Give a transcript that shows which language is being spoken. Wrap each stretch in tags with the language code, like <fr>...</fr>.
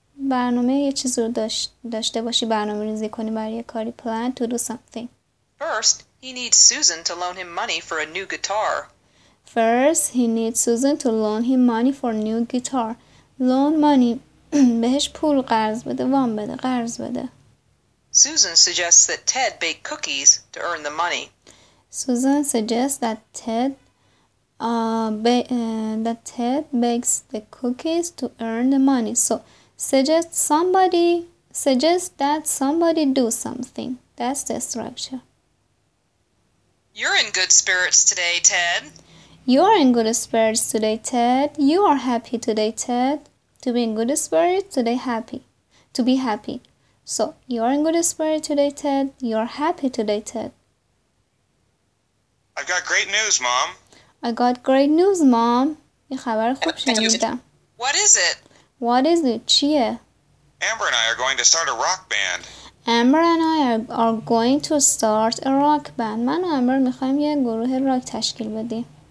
<fa>برنامه یه چیز رو داشته باشی، برنامه ریزی کنی برای یه کاری.</fa> <en>Plan to do something. First, he needs Susan to loan him money for a new guitar. First, he needs Susan to loan him money for a new guitar. Loan money.</en> <fa>بهش پول قرض بده، وام بده، قرض بده.</fa> <en>Susan suggests that Ted bake cookies to earn the money. Susan suggests that Ted bakes the cookies to earn the money. So suggest that somebody do something. That's the structure. You're in good spirits today, Ted. You're in good spirits today, Ted. You are happy today, Ted. To be in good spirits today, happy. To be happy. So you're in good spirits today, Ted. You're happy today, Ted. I've got great news, Mom. I got great news, Mom.</en> <fa>یه خبر خوب شنیدم.</fa> <en>What is it? What is it?</en> <fa>چیه؟</fa> <en>Amber and I are going to start a rock band. Amber and I are going to start a rock band.</en> <fa>من و امبر میخوایم یه گروه راک تشکیل بدیم.</fa>